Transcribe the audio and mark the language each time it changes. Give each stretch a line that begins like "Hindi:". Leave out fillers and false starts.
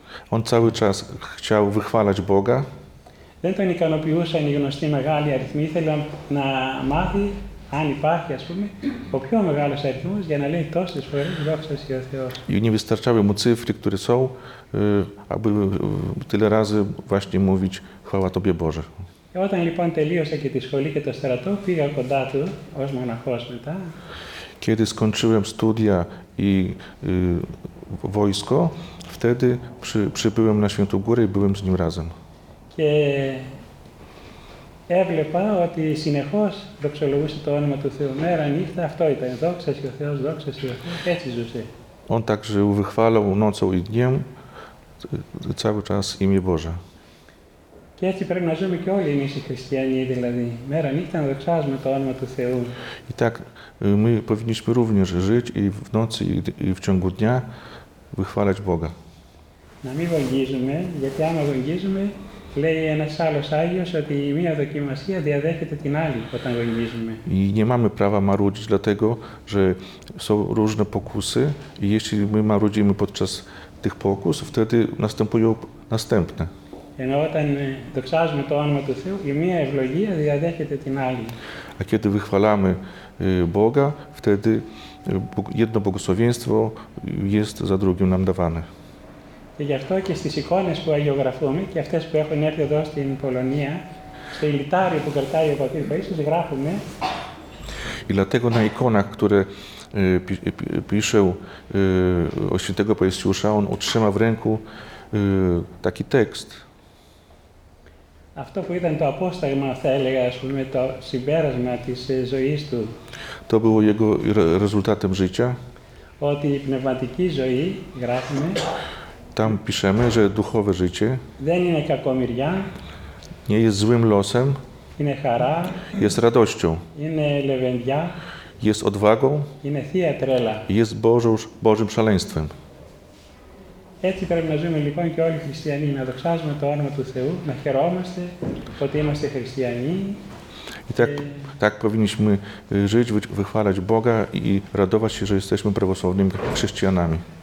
Polish: On cały czas chciał wychwalać Boga.
Greek: Δεν τον ικανοποιούσαν οι γνωστοί μεγάλοι αριθμοί. Ήθελα να μάθει, αν υπάρχει, ας πούμε, ο πιο μεγάλος αριθμός για να λέει τόσες φορές δόξα σοι ο Θεός.
Polish: I nie wystarczały mu cyfry, które są, aby tyle razy właśnie mówić chwała Tobie Boże.
Greek: Όταν λοιπόν τελείωσα και τη σχολή και το στρατό, πήγα κοντά του ως μοναχός μετά.
Polish: Kiedy skończyłem studia i wojsko, wtedy przybyłem na Świętą Górę i byłem z nim razem.
Greek: Και έβλεπα ότι συνεχώς δοξολογούσε το όνομα του Θεού μέρα, νύχτα, αυτό ήταν, δόξα σοι ο Θεός, δόξα σοι ο Θεός, έτσι ζούσε.
Polish: On także wychwalał nocą i dniem, cały czas imię Boże.
Greek: Και έτσι πρέπει να ζούμε και όλοι εμείς οι χριστιανοί, δηλαδή, μέρα, νύχτα, να δοξάζουμε το όνομα του Θεού.
Polish: I tak, my powinniśmy również żyć i w nocy, i w ciągu dnia wychwalać Boga.
Greek: Να μην γονγίζουμε, γιατί άμα γονγίζουμε, λέει ένας άλλος Άγιος ότι η μία δοκιμασία διαδέχεται την άλλη όταν γονίζουμε.
Polish: I nie mamy prawa marudzić, dlatego, że są różne pokusy i jeśli my marudzimy podczas tych pokus, wtedy następują następne.
Greek: Ενώ όταν δοξάζουμε το όνομα του Θεού, η μία ευλογία διαδέχεται την άλλη.
Polish: A kiedy wychwalamy Boga, wtedy jedno błogosławieństwo jest za drugim nam dawane.
Greek: Και γι' αυτό και στις εικόνες που αγιογραφούμε και αυτές που έχουν έρθει εδώ στην Πολωνία, Στη λιτάρια που κρατάει ο πατήρ Παΐσιος γράφουμε.
Polish: I dlatego na ikonach, które pisze o świętego Paisiusza, on utrzyma w ręku taki tekst.
Greek: Αυτό που ήταν το απόσταγμα, θα έλεγα, ας πούμε, το συμπέρασμα της ζωής του.
Polish: To było jego rezultatem życia.
Greek: Ότι η πνευματική ζωή, γράφουμε,
Polish: tam piszemy, że duchowe życie
Greek: δεν είναι κακομοιριά,
Polish: nie jest złym losem,
Greek: είναι χαρά,
Polish: jest radością,
Greek: είναι λεβενδιά,
Polish: jest odwagą,
Greek: είναι θεία τρέλα,
Polish: jest Bożym szaleństwem.
Greek: Έτσι πρέπει να ζούμε λοιπόν και όλοι οι χριστιανοί, να δοξάζουμε το όνομα του Θεού, να χαιρόμαστε ότι είμαστε χριστιανοί.
Polish: I tak, tak powinniśmy żyć, wychwalać Boga i radować się, że jesteśmy prawosławnymi chrześcijanami.